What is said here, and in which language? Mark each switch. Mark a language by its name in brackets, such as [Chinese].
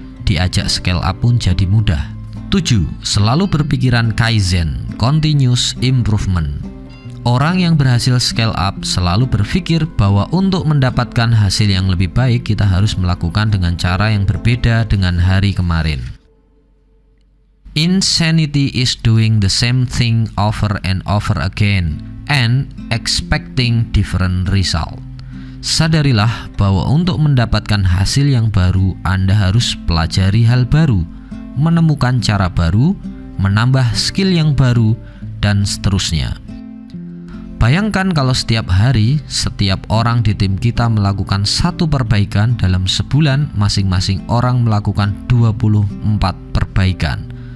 [Indonesian] Diajak scale up pun jadi mudah. 7. Selalu berpikiran Kaizen, Continuous Improvement. Orang yang berhasil scale up selalu berpikir bahwa untuk mendapatkan hasil yang lebih baik, kita harus melakukan dengan cara yang berbeda dengan hari kemarin. [English] Insanity is doing the same thing over and over again and expecting different result. [Indonesian] Sadarilah bahwa untuk mendapatkan hasil yang baru, Anda harus pelajari hal baru, menemukan cara baru, menambah skill yang baru, dan seterusnya. Bayangkan kalau setiap hari, setiap orang di tim kita melakukan satu perbaikan, dalam sebulan masing-masing orang melakukan 24 perbaikan.